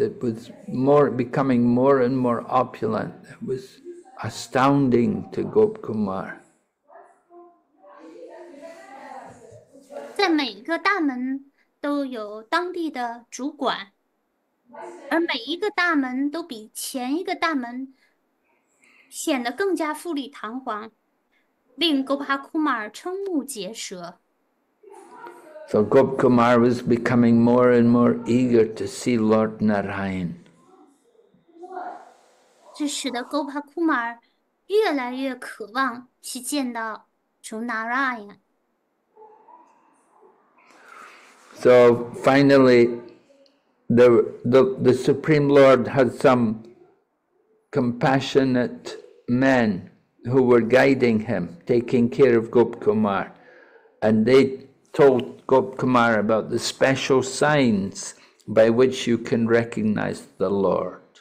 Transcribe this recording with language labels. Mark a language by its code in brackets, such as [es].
[en] It was becoming more and more opulent. It was astounding to Gop Kumar. [zh] 在每一个大门。都有当地的主管，而每一个大门都比前一个大门显得更加富丽堂皇，令Gopakumar瞠目结舌。 [en] So Gop Kumar was becoming more and more eager to see Lord Narayan. [zh] 这使得Gopakumar越来越渴望去见到主Narayan。 [en] So finally, the Supreme Lord had some compassionate men who were guiding him, taking care of Gop Kumar, and they told Gop Kumar about the special signs by which you can recognize the Lord.